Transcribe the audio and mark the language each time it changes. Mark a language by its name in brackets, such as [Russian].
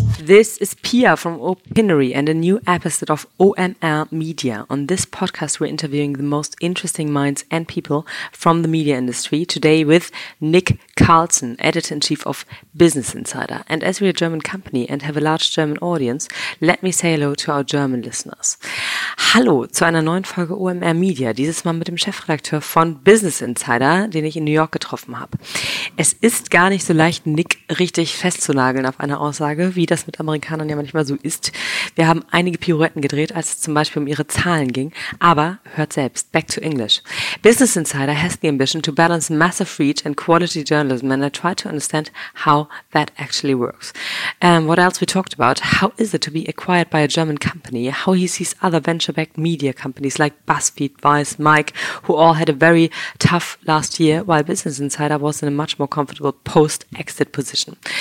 [English] This is Pia from Opinory and a new episode of OML Media. On this podcast, we're interviewing the most interesting minds and people from the media industry. Today with Nick Carlson, Editor-in-Chief of Business Insider. And as we're a German company and have a large German audience, let me say hello to our German listeners. [German] Hallo zu einer neuen Folge OML Media, dieses Mal mit dem Chefredakteur von Business Insider, den ich in New York getroffen habe. Es ist gar nicht so leicht, Nick richtig festzunageln auf einer Aussage, wie das mit Amerikanern ja manchmal so ist. Wir haben einige Pirouetten gedreht, als es zum Beispiel um ihre Zahlen ging, aber hört selbst, [English] back to English. Business Insider has the ambition to balance massive reach and quality journalism, and I try to understand how that actually works. What else we talked about, how is it to be acquired by a German company, how he sees other venture-backed media companies like BuzzFeed, Vice, Mike, who all had a very tough last year, while Business Insider was in a much more comfortable post-exit position.